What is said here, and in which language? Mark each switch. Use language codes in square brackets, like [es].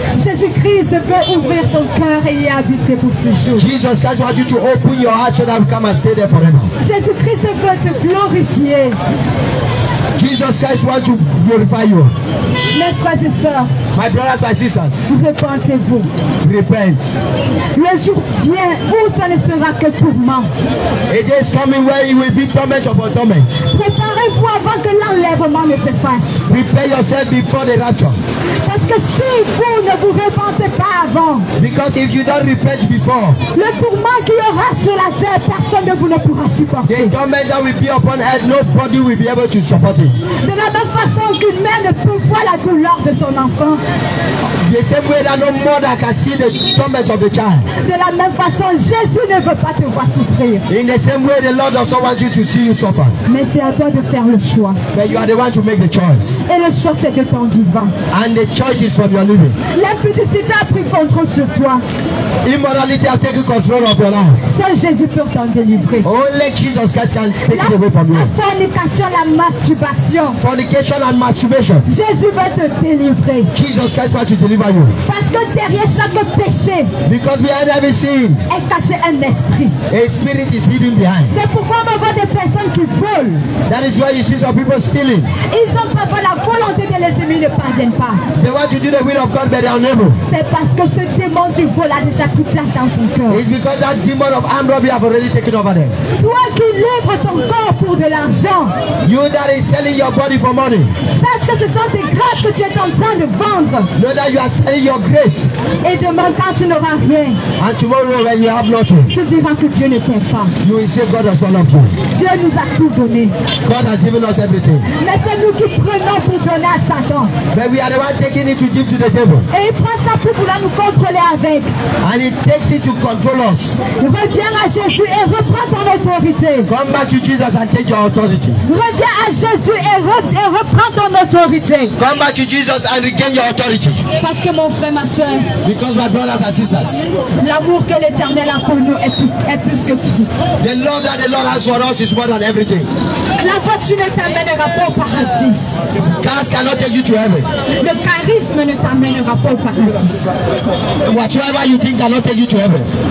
[fr] Jésus-Christ peut ouvrir ton cœur et y habiter pour toujours. [en] Jesus Christ wants you to open your heart so that we come and stay there forever. [fr] Jésus-Christ veut te glorifier. [en] Jesus Christ wants to glorify you. [fr] Mes frères et sœurs. [en] My brothers, my sisters. [fr] Repentez-vous. [en] Repent. [fr] Le jour vient où ça ne sera que tourment. [en] It is coming where it will be torment upon torment. [fr] Préparez-vous avant que l'enlèvement ne se fasse. [en] Prepare yourself before the rapture. [fr] Parce que si vous ne vous repentez pas avant. [en] Because if you don't repent before. [fr] Le tourment qu'il y aura sur la terre, personne ne vous ne pourra supporter. [en] The torment that will be upon earth, nobody will be able to support. [fr] De la même façon qu'une mère ne peut voir la douleur de son enfant. [en] The same way that no mother can see the torment of the child. [fr] De la même façon, Jésus ne veut pas te voir souffrir. [en] In the same way, the Lord does not want you to see you suffer. [fr] Mais c'est à toi de faire le choix. [en] But you are the one to make the choice. [fr] Et le choix c'est de ton vivant. [en] And the choice is from your living. [fr] L'impudicité a pris contrôle sur toi. [en] Immorality has taken control of your life. [fr] Seul Jésus peut t'en délivrer. [en] Only Jesus Christ can take it away from you. [fr] La fornication, la masturbation. [en] Fornication and masturbation. [fr] Jésus va te délivrer. [en] Jesus Christ wants to deliver. [fr] Parce que derrière chaque péché, [en] because behind every sin, [fr] est caché un esprit. [en] A spirit is hidden behind. [fr] C'est pourquoi on voit des personnes qui volent. [en] That is why you see some people stealing. [fr] Ils ont parfois la volonté de les aimer, ne parviennent pas. [en] They want to do the will of God, but they are unable. [fr] C'est parce que ce démon du vol a déjà pris place dans son cœur. [en] It's because that demon of armed robbery have already taken over them. [fr] Toi qui livres ton corps pour de l'argent, [en] you that is selling. selling your body for money. [fr] Sache que ce sont tes grâces que tu es en train de vendre. [en] Know that you are selling your grace. [fr] Et demain quand tu n'auras rien. [en] And tomorrow when you have nothing. [fr] Tu diras que Dieu ne t'aime pas. [en] You will say God has done all for you. [fr] Dieu nous a tout donné. [en] God has given us everything. [fr] Mais c'est nous qui prenons pour donner à Satan. [en] But we are the one taking it to give to the devil. [fr] Et il prend ça pour vouloir nous contrôler avec. [en] And he takes it to control us. [fr] Reviens à Jésus et reprends ton autorité. [en] Come back to Jesus and take your authority. [fr] Reviens à Jésus et reprends ton autorité. [en] Come back to Jesus and regain your authority. [fr] Parce que mon frère, ma soeur, [en] because my brothers and sisters, [fr] l'amour que l'Éternel a pour nous est plus que tout. [en] The love that the Lord has for us is more than everything. [fr] La fortune ne t'amènera pas au paradis. [en] Cars cannot take you to heaven. [fr] Le charisme ne t'amènera pas au paradis. [en] Whatever you think cannot take you to heaven.